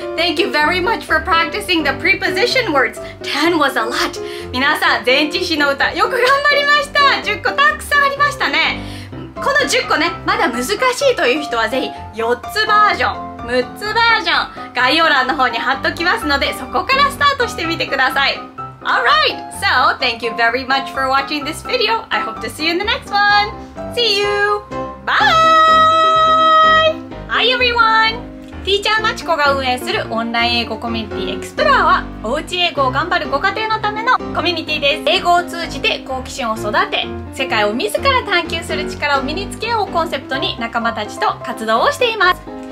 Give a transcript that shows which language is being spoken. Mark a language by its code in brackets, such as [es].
[en] Thank you very much for practicing the preposition words. 10 was a lot. [ja] 皆さん、前置詞の歌、よく頑張りました。10個たくさんありましたね。この10個ね、まだ難しいという人はぜひ4つバージョン、6つバージョン、概要欄の方に貼っときますので、そこからスタートしてみてください。 [en] Alright, so thank you very much for watching this video. I hope to see you in the next one. See you! Bye! Hi everyone! [ja] ティーチャーまちこが運営するオンライン英語コミュニティ EXPLOREは、おうち英語を頑張るご家庭のためのコミュニティです。英語を通じて好奇心を育て、世界を自ら探求する力を身につけようをコンセプトに仲間たちと活動をしています。